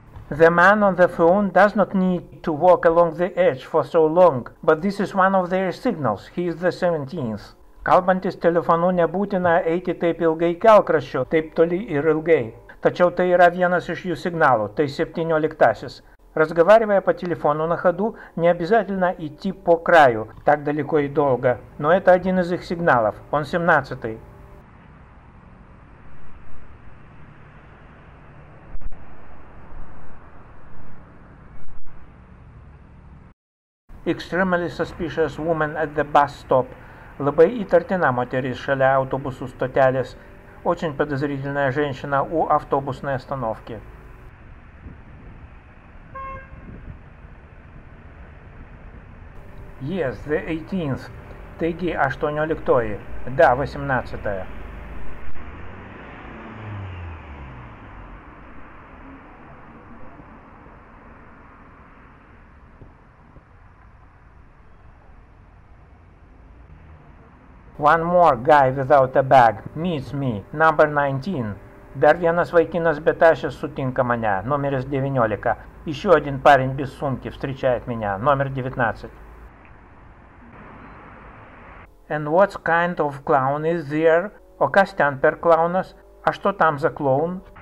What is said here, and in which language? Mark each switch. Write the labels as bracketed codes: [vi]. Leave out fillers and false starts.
[en] The man on the phone does not need to walk along the edge for so long, but this is one of their signals. He is the 17th. [lt] Kalbantis telefonu nebūtina eiti taip ilgai kelkraščiu, taip toli ir ilgai. Tačiau tai yra vienas iš jų signalų, tai 17-asis. [ru] Разговаривая по телефону на ходу, не обязательно идти по краю, так далеко и долго. Но это один из их сигналов, он 17-й. [en] Extremely suspicious woman at the bus stop. [lt] Labai įtartina moteris šalia автобусу стотелес. [ru] Очень подозрительная женщина у автобусной остановки. [en] Yes, the 18th. [lt] Taigi, 18-oji. [ru] Да, 18-ая. [en] One more guy without a bag meets me, number 19. [lt] Dar vienas vaikinas be tašės sutinka mane, numeris 19. [ru] Еще один парень без сумки встречает меня, номер 19. [en] And what kind of clown is there? [lt] O kas ten per klaunas? [ru] A što tam za klaun?